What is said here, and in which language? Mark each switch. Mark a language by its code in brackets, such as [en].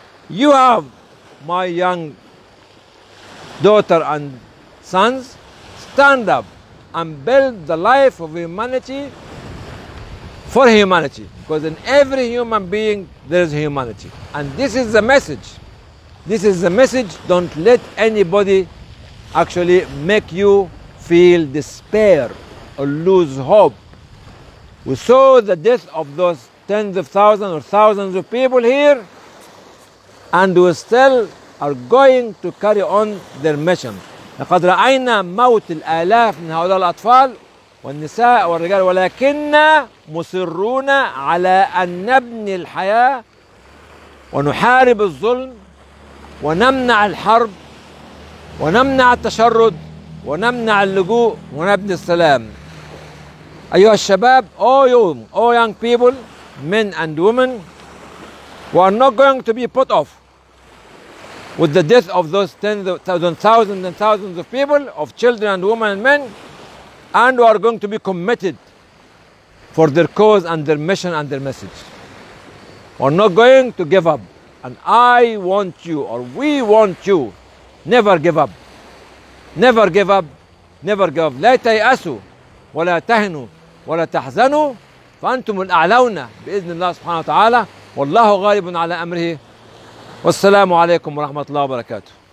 [en] You have my young daughter and sons. Stand up and build the life of humanity for humanity. Because in every human being there is humanity. And this is the message. This is the message. Don't let anybody actually make you feel despair or lose hope. We saw the death of those tens of thousands or thousands of people here, and we still are going to carry on their mission. [ar] لقد رأينا موت الآلاف من هؤلاء الأطفال والنساء والرجال، ولكننا مصرون على أن نبني الحياة ونحارب الظلم ونمنع الحرب ونمنع التشرد ونمنع اللجوء ونبني السلام. أيها الشباب، [en] all young people, men and women, we are not going to be put off with the death of those tens of thousands, thousands and thousands of people, of children and women and men, and we are going to be committed for their cause and their mission and their message. We are not going to give up. And I want you, or we want you, never give up. Never give up. Never give up. [ar] لا تيأسوا ولا تهنوا ولا تحزنوا، فأنتم الأعلون بإذن الله سبحانه وتعالى، والله غالب على أمره. والسلام عليكم ورحمة الله وبركاته.